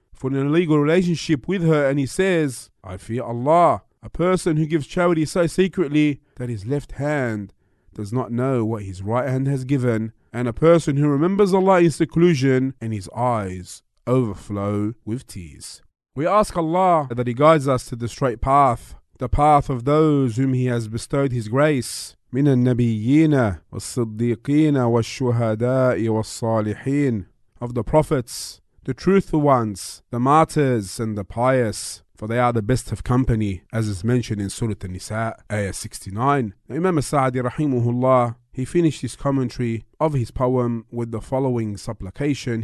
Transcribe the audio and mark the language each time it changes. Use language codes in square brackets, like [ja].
[en] for an illegal relationship with her and he says, I fear Allah, a person who gives charity so secretly that his left hand does not know what his right hand has given, and a person who remembers Allah in seclusion and his eyes overflow with tears. We ask Allah that He guides us to the straight path, the path of those whom He has bestowed His grace. [ar] من النبيين والصديقين والشهداء والصالحين. [en] Of the prophets, the truthful ones, the martyrs and the pious, for they are the best of company, as is mentioned in Surah An-Nisa, Ayah 69. Imam Sa'di rahimahullah, he finished his commentary of his poem with the following supplication.